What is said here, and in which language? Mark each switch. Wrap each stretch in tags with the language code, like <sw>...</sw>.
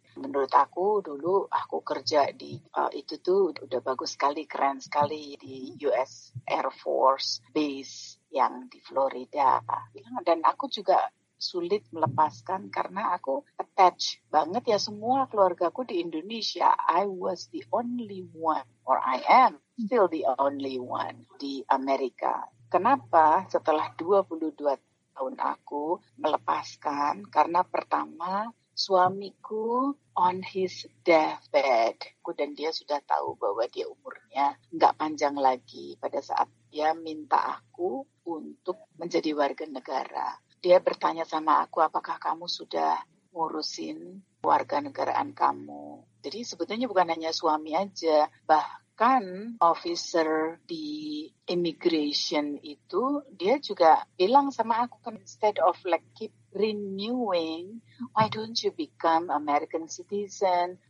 <id>Menurut aku dulu aku kerja di itu tuh udah bagus sekali, keren sekali di US Air Force Base yang di Florida. Dan aku juga sulit melepaskan karena aku attach banget ya semua keluargaku di Indonesia.</id> <en>I was the only one, or I am still the only one</en> <id>di Amerika. Kenapa setelah 22 tahun aku melepaskan? Karena pertama, suamiku</id> <en>on his deathbed.</en> <id>Aku dan dia sudah tahu bahwa dia umurnya nggak panjang lagi pada saat dia minta aku untuk menjadi warga negara. Dia bertanya sama aku, apakah kamu sudah ngurusin warga negaraan kamu? Jadi sebetulnya bukan hanya suami aja, bahkan officer di immigration itu, dia juga bilang sama aku,</id> <en>instead of like keep renewing, why don't you become American citizen?</en>